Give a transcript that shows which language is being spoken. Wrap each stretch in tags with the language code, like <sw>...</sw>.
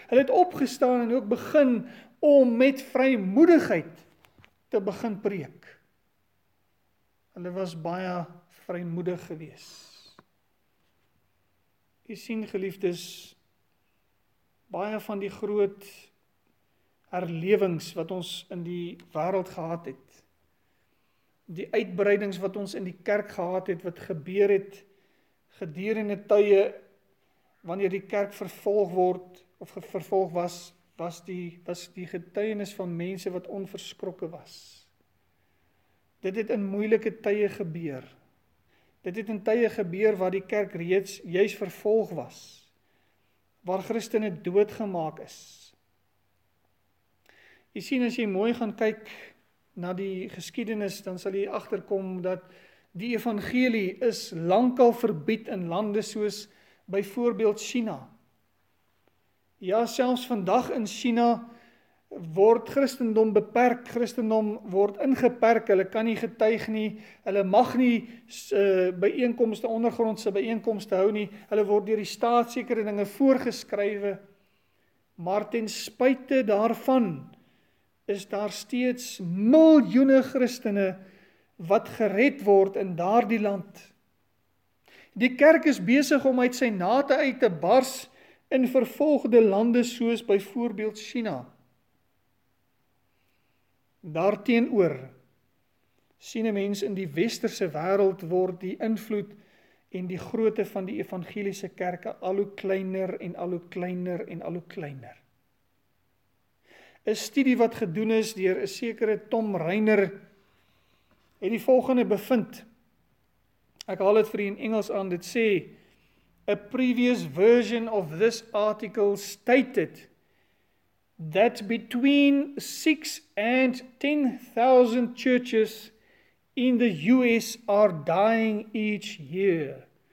<af>Hulle het opgestaan en ook begin om met vrymoedigheid te begin preek. Hulle was baie vrymoedig geweest. U sien, geliefdes, baie van die groot herlewings wat ons in die wêreld gehad het, die uitbreidings wat ons in die kerk gehad het, wat gebeur het gedurende tye, wanneer die kerk vervolg word of vervolg was, was die getuienis van mense wat onverskrokke was. Dit het in moeilike tye gebeur. Dit het in tye gebeur waar die kerk reeds juist vervolg was, waar Christene doodgemaak is. Jy sien, as jy mooi gaan kyk na die geskiedenis, dan sal jy agterkom dat die evangelie is lankal verbied in lande soos byvoorbeeld China. Ja, selfs vandag in China word Christendom beperk, Christendom word ingeperk, hulle kan nie getuig nie, hulle mag nie byeenkomste, ondergrondse byeenkomste hou nie, hulle word deur die staat sekere dinge voorgeskrywe, maar ten spyte daarvan is daar steeds miljoene Christene wat gered word in daardie land. Die kerk is besig om uit sy nate uit te bars in vervolgde lande soos byvoorbeeld China. Daarteenoor sien 'n mens in die westerse wêreld word die invloed en die grootte van die evangeliese kerke al hoe kleiner en al hoe kleiner en al hoe kleiner. 'N studie wat gedoen is deur 'n sekere Tom Reiner het die volgende bevind. Ek haal dit vir u in Engels aan. Dit sê:</af> <en>"A previous version of this article stated that between 6 and 10,000 churches in the US are dying each year.</en>